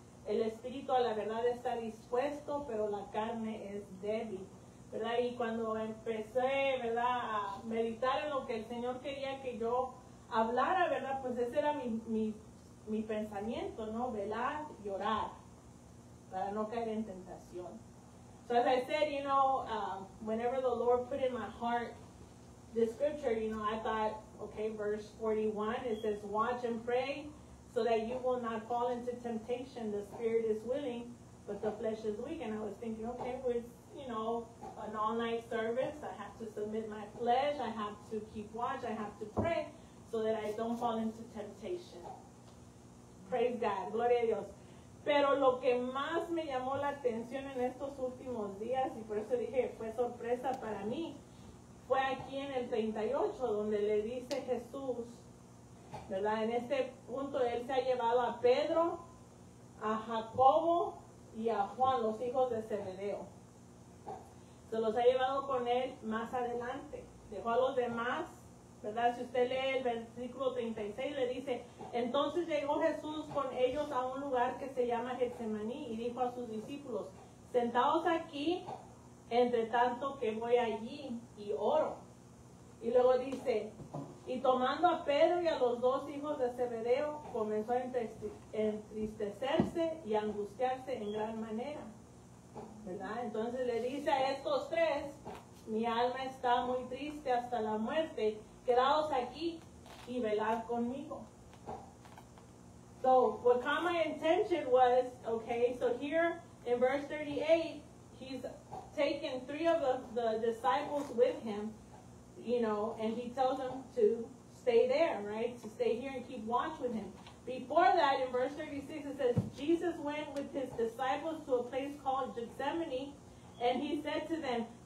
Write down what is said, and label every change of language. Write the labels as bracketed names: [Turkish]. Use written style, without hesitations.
[Spanish] El espíritu a la verdad está dispuesto, pero la carne es débil, ¿verdad? Y cuando empecé, ¿verdad?, a meditar en lo que el Señor quería que yo hablara, ¿verdad?, pues ese era mi pensamiento, ¿no? Velar y orar para no caer en tentación. [English] So as I said, you know, whenever the Lord put in my heart this scripture, you know, I thought, okay, verse 41, it says, watch and pray, so that you will not fall into temptation. The spirit is willing, but the flesh is weak. And I was thinking, okay, with, you know, an all-night service, I have to submit my flesh, I have to keep watch, I have to pray, so that I don't fall into temptation. Praise God. [Spanish] Gloria a Dios. Pero lo que más me llamó la atención en estos últimos días, y por eso dije, fue sorpresa para mí, fue aquí en el 38, donde le dice Jesús, ¿verdad? En este punto, él se ha llevado a Pedro, a Jacobo y a Juan, los hijos de Zebedeo. Se los ha llevado con él más adelante. Dejó a los demás, ¿verdad? Si usted lee el versículo 36, le dice, entonces llegó Jesús con ellos a un lugar que se llama Getsemaní y dijo a sus discípulos, sentaos aquí, entre tanto que voy allí y oro. Y luego dice, y tomando a Pedro y a los dos hijos de Zebedeo, comenzó a entristecerse y angustiarse en gran manera. ¿Verdad? Entonces le dice a estos tres, mi alma está muy triste hasta la muerte, quedaos aquí y velad conmigo. [English] So, what caught my intention was, okay, so here in verse 38, he's taken three of the disciples with him. You know, and he tells them to stay there, right? To stay here and keep watch with him. Before that, in verse 36, it says, Jesus went with his disciples to a place called Gethsemane, and he said to them,